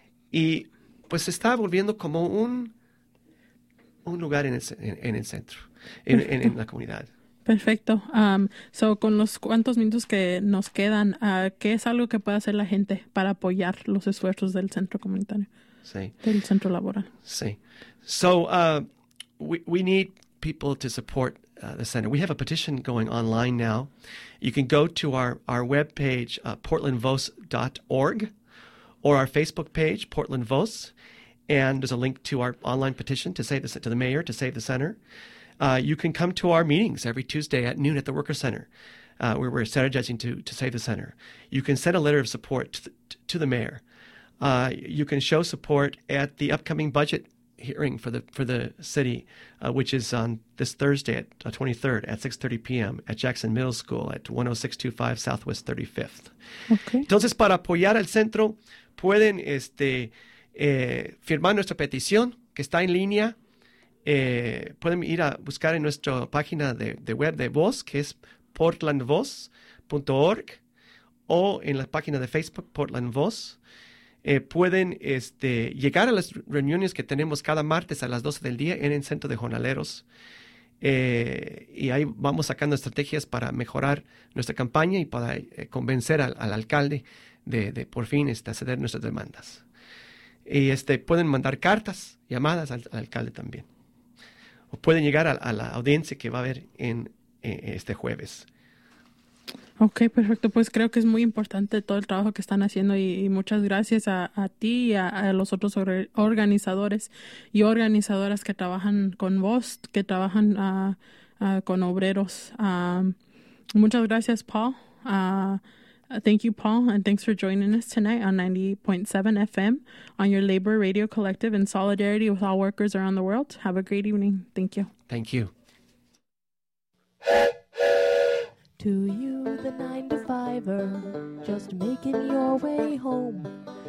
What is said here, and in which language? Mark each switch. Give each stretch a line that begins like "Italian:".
Spanish: Y pues se está volviendo como un lugar en el centro, en la comunidad. Perfecto.
English: So,
Spanish: con los cuantos minutos que nos quedan, ¿qué es algo que puede hacer la gente para apoyar los esfuerzos del centro comunitario? Sí. Del centro laboral. Sí.
English: So, we need people to support the center. We have a petition going online now. You can go to our webpage, portlandvoz.org, or our Facebook page, portlandvoz, and there's a link to our online petition to the mayor to save the center. You can come to our meetings every Tuesday at noon at the Worker Center, where we're strategizing to save the center. You can send a letter of support to the mayor. You can show support at the upcoming budget hearing for the city, which is on this Thursday at the 23rd at 6:30 p.m. at Jackson Middle School at 10625 Southwest 35th. Okay.
Spanish: Entonces, para apoyar al centro, pueden firmar nuestra petición, que está en línea. Pueden ir a buscar en nuestra página de web de Voz, que es portlandvoz.org, o en la página de Facebook, Portland Voz. pueden llegar a las reuniones que tenemos cada martes a las 12 del día en el Centro de Jornaleros. Y ahí vamos sacando estrategias para mejorar nuestra campaña y para convencer al alcalde de por fin acceder nuestras demandas. Y pueden mandar cartas, llamadas al alcalde también. O pueden llegar a la audiencia que va a haber en este jueves. Ok, perfecto. Pues creo que es muy importante todo el trabajo que están haciendo y muchas gracias a ti y a los otros organizadores y organizadoras que trabajan con vos, que trabajan con obreros. Muchas gracias, Paul.
English: Thank you, Paul, and thanks for joining us tonight on 90.7 FM on your Labor Radio Collective in solidarity with all workers around the world. Have a great evening. Thank you. Thank you. To you, the 9-to-5-er, just making your way home.